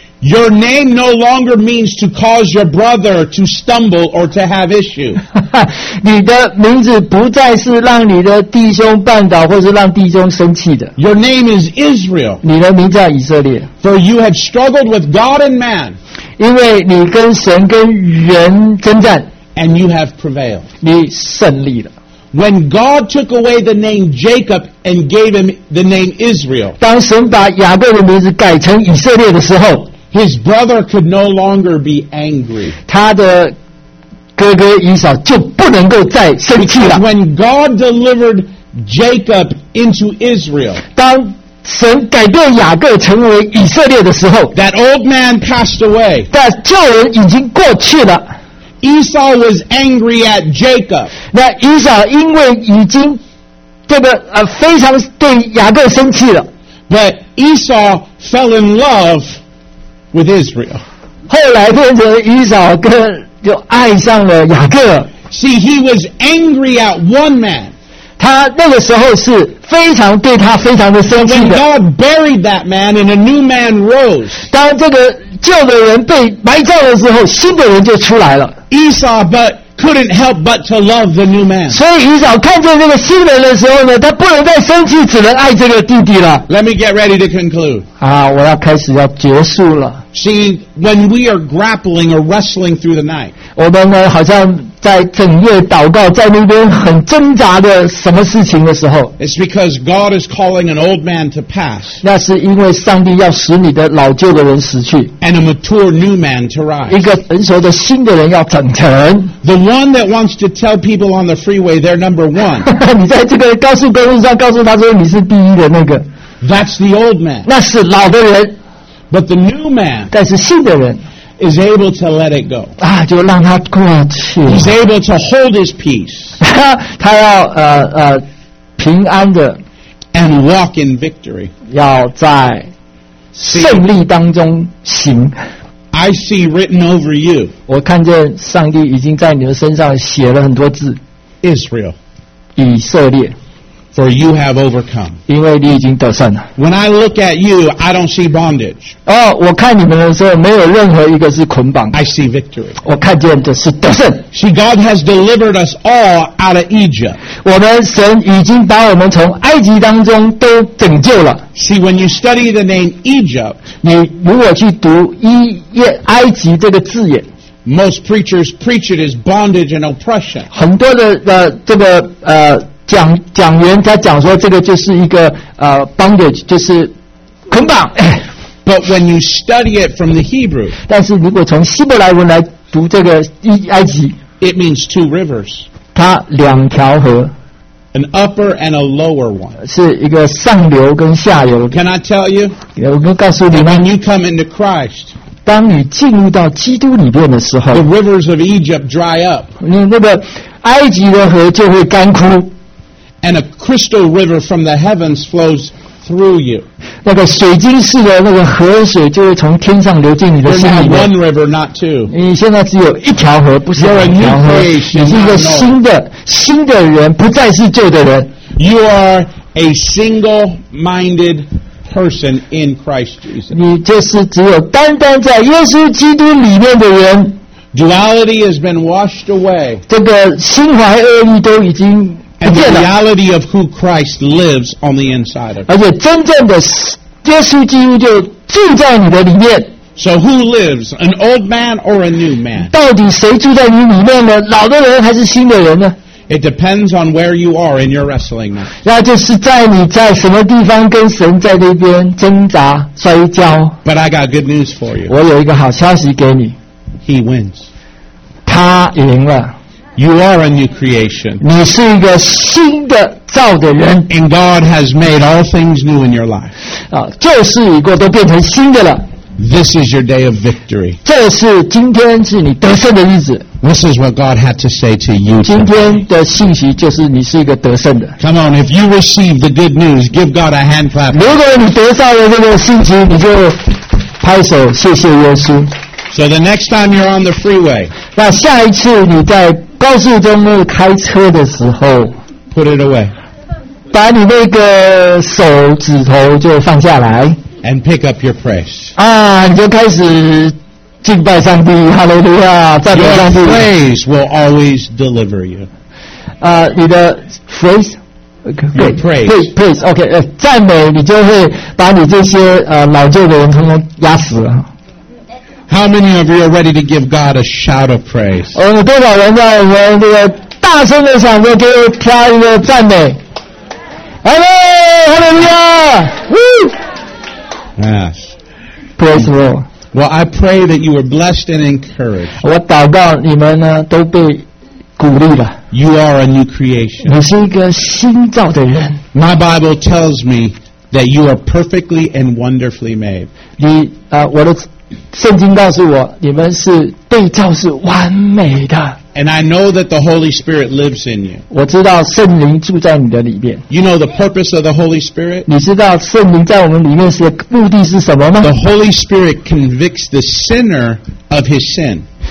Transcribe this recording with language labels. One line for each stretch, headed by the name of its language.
English: Your name no longer means to cause your brother to stumble or to have issue.
Chinese: 你的名字不再是让你的弟兄绊倒或是让弟兄生气的。
English: Your name is Israel.
Chinese: 你的名叫以色列。
English: For you have struggled with God and man.
Chinese: 因为你跟神跟人征战。
English: And you have prevailed.
Chinese: 你胜利了。
English: When God took away the name Jacob and gave him the name Israel,
Chinese: 当神把雅各的名字改成以色列的时候，
English: his brother could no longer be angry.
Chinese: 他的哥哥以扫就不能够再生气了。
English: When God delivered Jacob into Israel,
Chinese: 当神改变雅各成为以色列的时候，
English: that old man passed away.
Chinese: 但旧人已经过去了。
English: Esau was angry at Jacob.
Chinese: 那以扫因为已经这个非常对雅各生气了。
English: But Esau fell in love with Israel.
Chinese: 后来变成以扫就爱上了雅各。
English: See, he was angry at one man.
Chinese: 他那个时候是非常对他非常的生气的。
English: When God buried that man and a new man rose，
Chinese: 当这个旧的人被埋葬的时候，新的人就出来了。
English: Esau but couldn't help but to love the new man。
Chinese: 所以以扫看见这个新人的时候呢，他不能再生气，只能爱这个弟弟了。
English: Let me get ready to conclude。
Chinese: 啊，我要开始要结束了。
English: See, when we are grappling or wrestling through the night,
Chinese: 我们呢好像在整夜祷告，在那边很挣扎的什么事情的时候，
English: it's because God is calling an old man to pass.
Chinese: 那是因为上帝要使你的老旧的人死去，
English: and a mature new man to rise.
Chinese: 一个成熟的新的人要长成。
English: The one that wants to tell people on the freeway they're number one.
Chinese: 你在这个高速公路上告诉他说你是第一的那个，
English: that's the old man.
Chinese: 那是老的人。
English: But the new man,
Chinese: 但是新的人
English: is able to let it go.
Chinese: 啊，就让他过去。
English: He's able to hold his peace.
Chinese: 他要平安的
English: and walk in victory.
Chinese: 要在胜利当中行。
English: I see written over you.
Chinese: 我看见上帝已经在你的身上写了很多字。
English: Israel,
Chinese: 以色列。
English: For you have overcome.
Chinese: 因为你已经得胜了。
English: When I look at you, I don't see bondage.
Chinese: 哦，我看你们的时候，没有任何一个是捆绑。
English: I see victory.
Chinese: 我看见的是得胜。
English: See, God has delivered us all out of Egypt.
Chinese: 我们神已经把我们从埃及当中都拯救了。
English: See, when you study the name Egypt,
Chinese: 你如果去读埃及这个字眼。
English: Most preachers preach it as bondage and oppression.
Chinese: 很多的讲员他讲说这个就是一个bondage， 就是捆绑。
English: But when you study it from the Hebrew，
Chinese: 但是如果从希伯来文来读这个埃及
English: ，it means two rivers，
Chinese: 它两条河
English: ，an upper and a lower one，
Chinese: 是一个上流跟下流。
English: Can I tell you？
Chinese: 我可以告诉你吗
English: ？When you come into Christ，
Chinese: 当你进入到基督里面的时候
English: ，the rivers of Egypt dry up，
Chinese: 那个埃及的河就会干枯。
English: And a crystal river from the heavens flows through you.
Chinese: 那个水晶似的那个河水就会从天上流进你的心里面。
English: You're not one river, not two.
Chinese: 你现在只有一条河，不是两条河。
English: You're a new creation,
Chinese: 你是一个新的人，不再是旧的人。
English: You are a single-minded person in Christ Jesus.
Chinese: 你就是只有单单在耶稣基督里面的人。
English: Duality has been washed away.
Chinese: 这个心怀恶意都已经。
English: And the reality of who Christ lives on the inside of you.
Chinese: 而且真正的耶稣基督就住在你的里面。
English: So who lives, an old man or a new man?
Chinese: 到底谁住在你里面呢？老的人还是新的人呢？
English: It depends on where you are in your wrestling now.
Chinese: 那就是在你在什么地方跟神在那边挣扎摔跤。
English: But I got good news for you.
Chinese: 我有一个好消息给你。
English: He wins.
Chinese: 他赢了。
English: You are a new creation.
Chinese: 你是一个新的造的人。
English: And God has made all things new in your life.
Chinese: 啊，旧事已过，都变成新的了。
English: This is your day of victory.
Chinese: 这是今天是你得胜的日子。
English: This is what God had to say to you.
Chinese: 今天的信息就是你是一个得胜的。
English: Come on, if you receive the good news, give God a hand clap.
Chinese: 如果你得到了这个信息，你就拍手谢谢耶稣。
English: So the next time you're on the freeway.
Chinese: 那下一次你在高速公路开车的时候
English: ，put it away，
Chinese: 把你那个手指头就放下来
English: ，and pick up your praise，
Chinese: 啊，你就开始敬拜上帝，哈利路亚，赞美上帝。
English: Your praise will always deliver you，
Chinese: 啊，你的 praise，
English: your praise， praise， OK，
Chinese: 赞美，你就会把你这些老旧的人通通压死了。
English: How many of you are ready to give God a shout of praise?
Chinese: 多少人在我们这个大声的响着给他一个赞美 ？
English: Hello, Hallelujah! Woo! Yes, praise the Lord. Well, I pray that you are blessed and encouraged.
Chinese: 我祷告你们呢都被鼓励了。
English: You are a new creation.
Chinese: 你是一个新造的人。
English: My Bible tells me that you are perfectly and wonderfully made.
Chinese: 你我的。圣经告诉我，你们是被造是完美的。
English: And I know that the Holy Spirit lives in you.
Chinese: 我知道圣灵住在你的里面。
English: You know the purpose of the Holy Spirit.
Chinese: 你知道圣灵在我们里面是目的是什么吗
English: ？The Holy Spirit convicts the sinner of his sin.